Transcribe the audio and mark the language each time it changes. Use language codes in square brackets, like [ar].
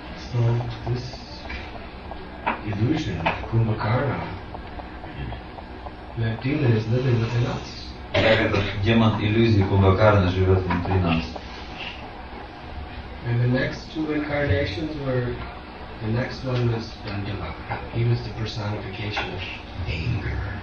[en] So this illusion of Kumbhakarna, that demon is living within us. [ru] Демон иллюзии Кумбхакарны живет внутри нас. [en] And the next two incarnations were, the next one was Dandavaka. He was the personification of anger.